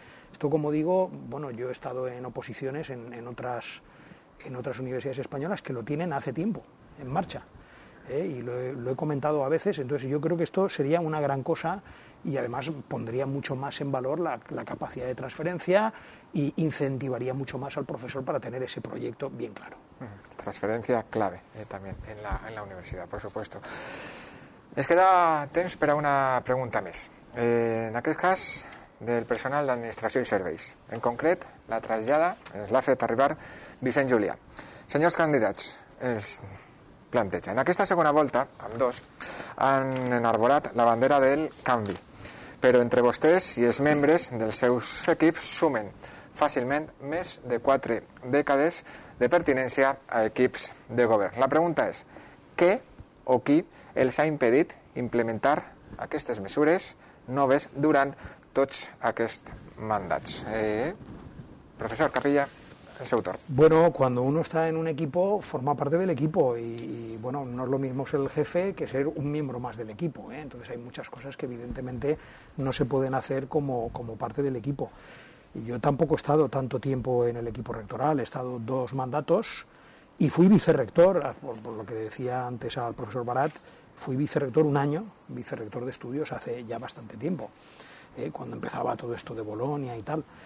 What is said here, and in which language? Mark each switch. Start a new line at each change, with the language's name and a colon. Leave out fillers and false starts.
Spanish: Esto, como digo, bueno, yo he estado en oposiciones en otras universidades españolas que lo tienen hace tiempo, en marcha, y lo he comentado a veces. Entonces yo creo que esto sería una gran cosa y además pondría mucho más en valor la capacidad de transferencia e incentivaría mucho más al profesor para tener ese proyecto bien claro. Transferencia clave también en la universidad, por supuesto.
Catalan: Es que da temps per a una pregunta més. En aquest cas, del personal d'administració i serveis. En concret, la trasllada ens l'ha fet arribar Vicent Julià. Senyors candidats, els planteja. En aquesta segona volta, ambdós han enarborat la bandera del canvi, però entre vostès i els membres dels seus equips sumen fàcilment més de 4 dècades de pertinència a equips de govern. La pregunta és, què o qui els ha impedit implementar aquestes mesures noves durant tots aquests mandats? Professor Capilla, el seu torn.
Spanish: Bueno, cuando uno está en un equipo, forma parte del equipo y bueno, no es lo mismo ser el jefe que ser un miembro más del equipo, ¿eh? Entonces hay muchas cosas que evidentemente no se pueden hacer como parte del equipo. Yo tampoco he estado tanto tiempo en el equipo rectoral, he estado 2 mandatos y fui vicerrector, por lo que decía antes al profesor Barat, fui vicerrector un año, vicerrector de estudios hace ya bastante tiempo, cuando empezaba todo esto de Bolonia y tal.